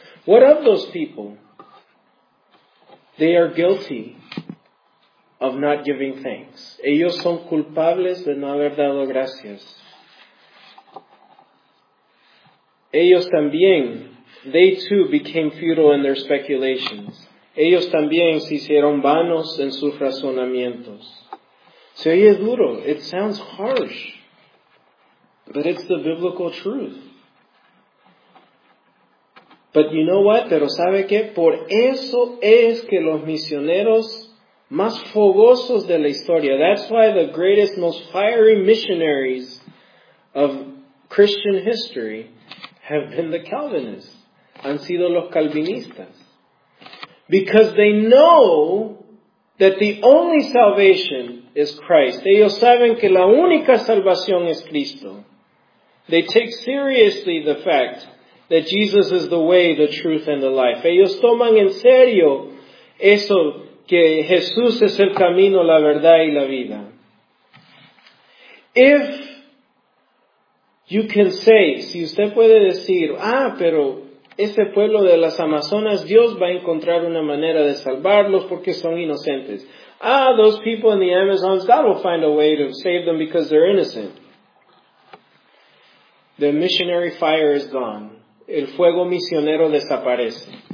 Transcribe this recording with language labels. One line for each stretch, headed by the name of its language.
English: What of those people? They are guilty of not giving thanks.
Spanish: Ellos son culpables de no haber dado gracias. Ellos también,
English: they too became futile in their speculations.
Spanish: Ellos también se hicieron vanos en sus razonamientos. Se oye duro.
English: It sounds harsh. But it's the biblical truth. But you know what?
Spanish: Pero ¿sabe qué? Por eso es que los misioneros más fogosos de la historia,
English: that's why the greatest, most fiery missionaries of Christian history have been the Calvinists.
Spanish: Han sido los calvinistas.
English: Because they know that the only salvation is Christ.
Spanish: Ellos saben que la única salvación es Cristo.
English: They take seriously the fact that Jesus is the way, the truth, and the life.
Spanish: Ellos toman en serio eso que Jesús es el camino, la verdad, y la vida.
English: If you can say,
Spanish: si usted puede decir, ah, pero ese pueblo de las Amazonas, Dios va a encontrar una manera de salvarlos porque son inocentes.
English: Ah, those people in the Amazons, God will find a way to save them because they're innocent. The missionary fire is gone.
Spanish: El fuego misionero desaparece.